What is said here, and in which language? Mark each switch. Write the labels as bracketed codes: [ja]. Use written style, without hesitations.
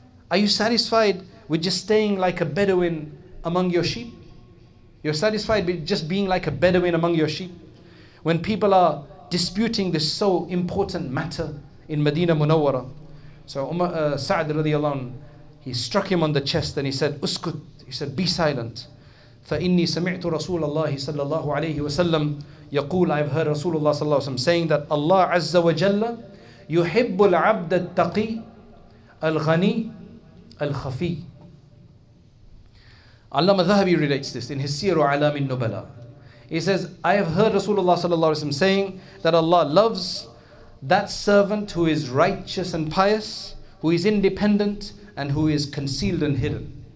[en] Are you satisfied with just staying like a Bedouin among your sheep? You're satisfied with just being like a Bedouin among your sheep? When people are disputing this so important matter in Medina Munawwara. So Sa'd radiallahu anhu, he struck him on the chest and he said, Uskut, he said, be silent. [ar] فَإِنِّي سَمِعْتُ رَسُولَ اللَّهِ صَلَّى اللَّهُ عَلَيْهِ وَسَلَّمْ يَقُولَ [en] I've heard Rasulullah صَلَّى اللَّهُ عَلَيْهِ وَسَلَّمْ saying that Allah [ar] عَزَّ وَجَلَّ يُحِبُّ الْعَبْدَ التَّقِي الْغَنِي الْخَفِي. [en] Allama Dhahabi relates this in his Sirah Alam al-Nubala. He says, I have heard Rasulullah صَلَّى اللَّهُ عَلَيْهِ وَسَلَّمْ saying that Allah loves that servant who is righteous and pious, who is independent and who is concealed and hidden.